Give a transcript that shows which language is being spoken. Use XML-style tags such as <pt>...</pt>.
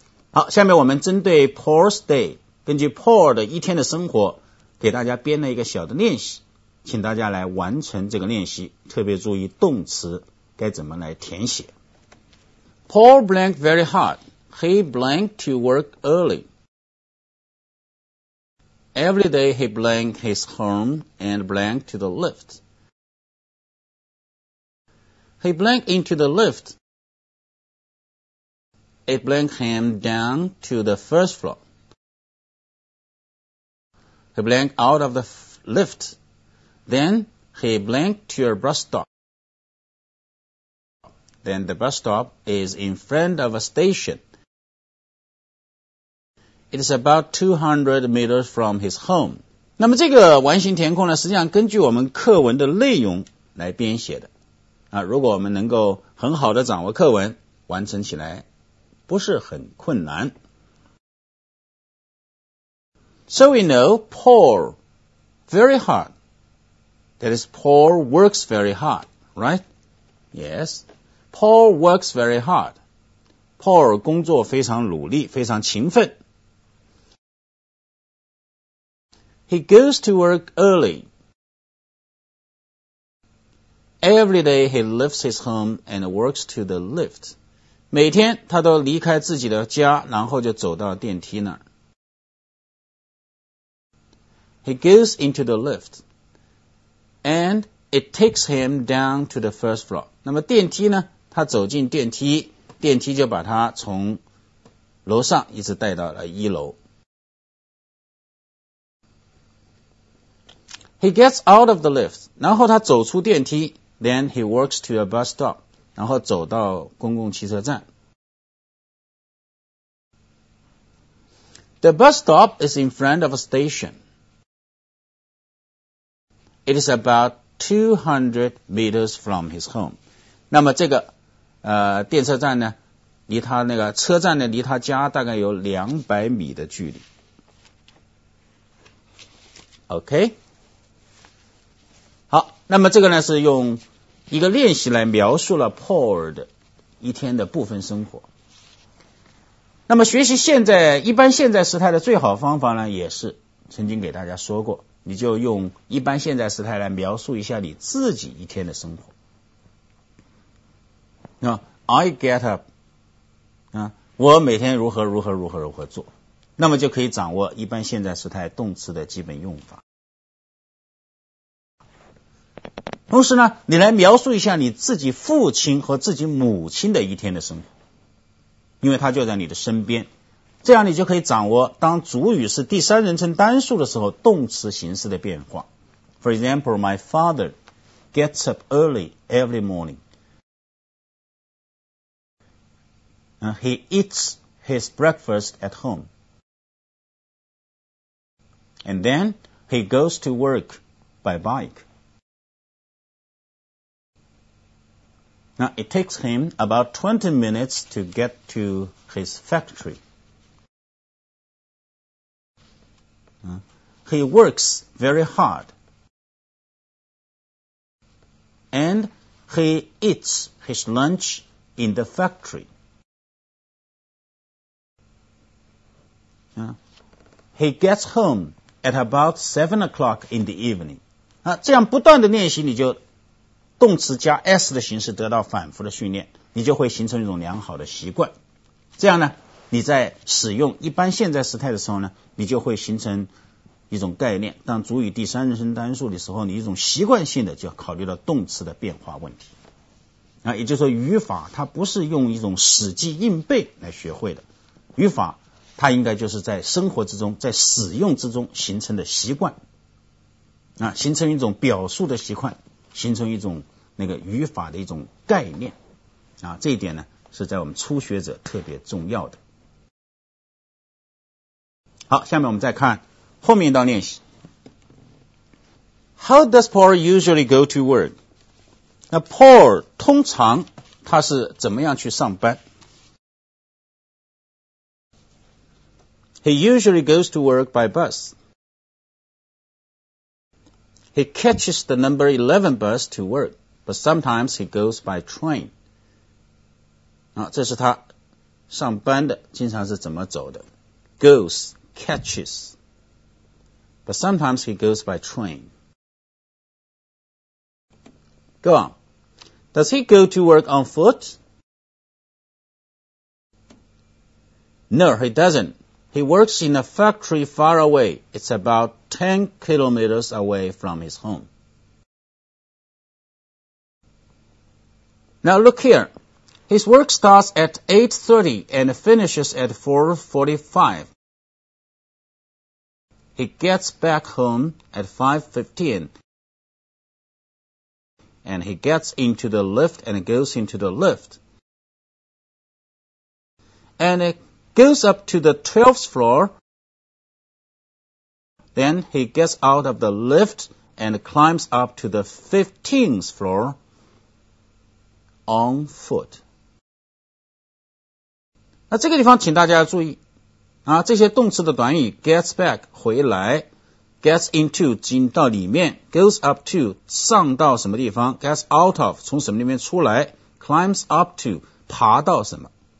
<zh>好，下面我们针对 Paul's Day， 根据 Paul 的一天的生活，给大家编了一个小的练习，请大家来完成这个练习，特别注意动词该怎么来填写。</zh> <en>Paul blank very hard. He blanked to work early. Every day he blanked his home and blanked to the lift. He blanked into the lift. It blanked him down to the first floor. He blanked out of the lift. Then he blanked to a bus stop. Then the bus stop is in front of a station. It is about 200 meters from his home.</en> <zh>那么这个完形填空呢，实际上根据我们课文的内容来编写的。啊，如果我们能够很好的掌握课文，完成起来不是很困难。</zh> <en>So we know Paul very hard. That is, Paul works very hard, right? Yes. Paul works very hard.</en> <zh>Paul 工作非常努力，非常勤奋。</zh> <en>He goes to work early. Every day he leaves his home and walks to the lift.</en> <zh>每天他都离开自己的家，然后就走到电梯那儿。</zh> <en>He goes into the lift. And it takes him down to the first floor.</en> <zh>那么电梯呢，他走进电梯，电梯就把他从楼上一直带到了一楼。</zh> <en>He gets out of the lift,</en> <zh>然后他走出电梯,</zh> <en>then he walks to a bus stop,</en> <zh>然后走到公共汽车站。</zh> <en>The bus stop is in front of a station. It is about 200 meters from his home.</en> <zh>那么这个电车站呢，离他那个车站呢，离他家大概有200米的距离。</zh> <en>Okay?</en> <zh>好，那么这个呢是用一个练习来描述了 Paul 的一天的部分生活。那么学习现在一般现在时态的最好方法呢，也是曾经给大家说过，你就用一般现在时态来描述一下你自己一天的生活。</zh> <en>I get up，</en> <zh>我每天如何如何如何如何做，那么就可以掌握一般现在时态动词的基本用法。同时呢，你来描述一下你自己父亲和自己母亲的一天的生活，因为他就在你的身边，这样你就可以掌握当主语是第三人称单数的时候动词形式的变化。</zh> <en>For example, my father gets up early every morning. He eats his breakfast at home. And then he goes to work by bike. Now it takes him about 20 minutes to get to his factory. He works very hard, and he eats his lunch in the factory. He gets home at about 7 o'clock in the evening.</en> <zh>这样不断的练习，你就动词加 s 的形式得到反复的训练，你就会形成一种良好的习惯。这样呢，你在使用一般现在时态的时候呢，你就会形成一种概念，当主语第三人称单数的时候，你一种习惯性的就考虑到动词的变化问题。也就是说，语法它不是用一种死记硬背来学会的，语法它应该就是在生活之中，在使用之中形成的习惯，形成一种表述的习惯，形成一种那个语法的一种概念，这一点呢是在我们初学者特别重要的。好，下面我们再看后面一道练习。</zh> <en>How does Paul usually go to work?</en> <zh>那 Paul 通常他是怎么样去上班？</zh> <en>He usually goes to work by bus. He catches the number 11 bus to work, but sometimes he goes by train.</en> <zh>这是他上班的，经常是怎么走的？</zh> <en>Goes, catches. But sometimes he goes by train. Go on. Does he go to work on foot? No, he doesn't. He works in a factory far away. It's about 10 kilometers away from his home. Now look here. His work starts at 8:30 and finishes at 4:45. He gets back home at 5:15, and he gets into the lift and goes into the lift, and it goes up to the 12th floor. Then he gets out of the lift and climbs up to the 15th floor on foot.</en> <zh>那这个地方请大家注意。这些动词的短语</zh> <en>gets back</en> <zh>回来，</zh> <en>gets into</en> <zh>进到里面，</zh> <en>goes up to</en> <zh>上到什么地方，</zh> <en>gets out of</en> <zh>从什么里面出来，</zh> <en>climbs up to</en> <zh>爬到什么。</zh>